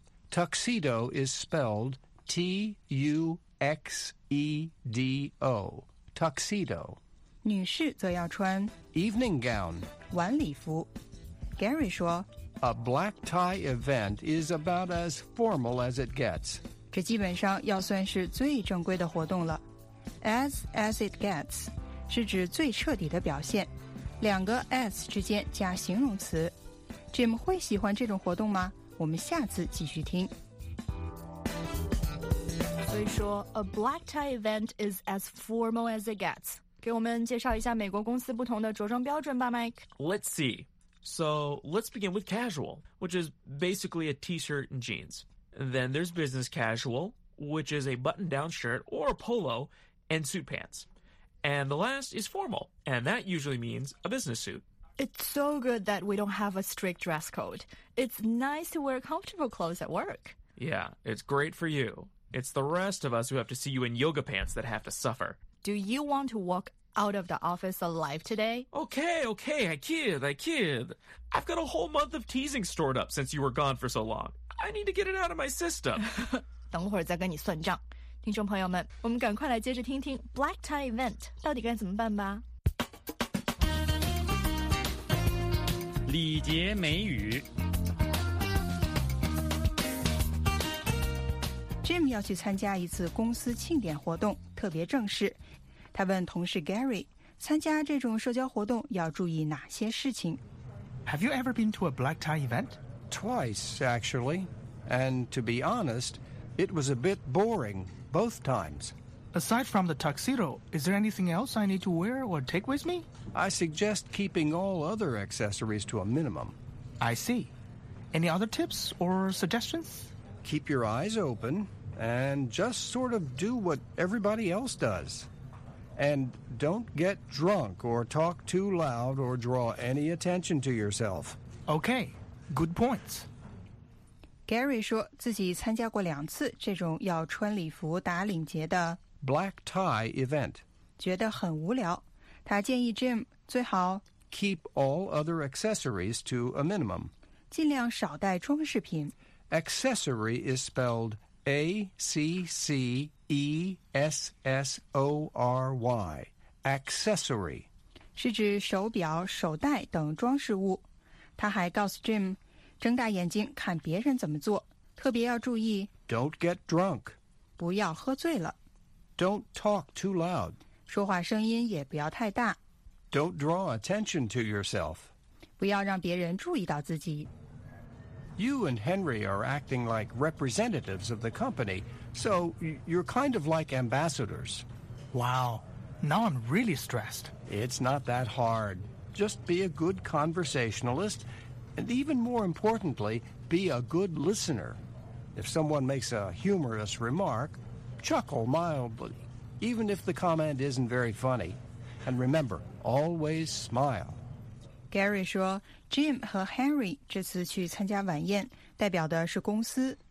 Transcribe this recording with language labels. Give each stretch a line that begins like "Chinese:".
English: Tuxedo is spelled T-U-X-E-D-O. Tuxedo.
Chinese: 女士则要穿
English: evening gown.
Chinese: 晚礼服。Gary 说。
English: A black tie event is about as formal as it gets.
Chinese: 这基本上要算是最正规的活动了。
English: As it gets
Chinese: 是指最彻底的表现，两个 as 之间加形容词。 Jim 会喜欢这种活动吗？我们下次继续听。所以说
English: ，a black tie event is as formal as it gets.
Chinese: 给我们介绍一下美国公司不同的着装标准吧 ，Mike.
English: Let's see. So let's begin with casual, which is basically a t-shirt and jeans. And then there's business casual, which is a button-down shirt or a polo and suit pants. And the last is formal, and that usually means a business suit. It's so good that we don't have a strict dress code. It's nice to wear comfortable clothes at work. Yeah, it's great for you. It's the rest of us who have to see you in yoga pants that have to suffer. Do you want to walk out of the office alive today? Okay, I kid. I've got a whole month of teasing stored up since you were gone for so long. I need to get it out of my system.
Chinese: 等会儿再跟你算账。听众朋友们，我们赶快来接着听听 Black Tie Event 到底该怎么办吧。礼节美语。 Jim 要去参加一次公司庆典活动，特别正式。他问同事 Gary, 参加这种社交活动要注意哪些事情?
English: Have you ever been to a black tie event? Twice, actually. And to be honest, it was a bit boring both times. Aside from the tuxedo, is there anything else I need to wear or take with me? I suggest keeping all other accessories to a minimum. I see. Any other tips or suggestions? Keep your eyes open and just sort of do what everybody else does. And don't get drunk or talk too loud or draw any attention to yourself. Okay, good points.
Chinese: Gary 说自己参加过两次这种要穿礼服打领结的
English: black tie event.
Chinese: 觉得很无聊。他建议 Jim 最好
English: keep all other accessories to a minimum.
Chinese: 尽量少带装饰品。
English: Accessory is spelled A-C-C-E-S-S-O-R-Y, accessory.
Chinese: 是指手表、手袋等装饰物。他还告诉 Jim, 睁大眼睛看别人怎么做。特别要注意
English: Don't get drunk.
Chinese: 不要喝醉了。
English: Don't talk too loud.
Chinese: 说话声音也不要太大。
English: Don't draw attention to yourself.
Chinese: 不要让别人注意到自己。
English: You and Henry are acting like representatives of the company, so you're kind of like ambassadors. Wow, now I'm really stressed. It's not that hard. Just be a good conversationalist, and even more importantly, be a good listener. If someone makes a humorous remark, chuckle mildly, even if the comment isn't very funny. And remember, always smile.
Chinese: Gary 说 ,Jim 和 Henry 这次去参加晚宴代表的是公司。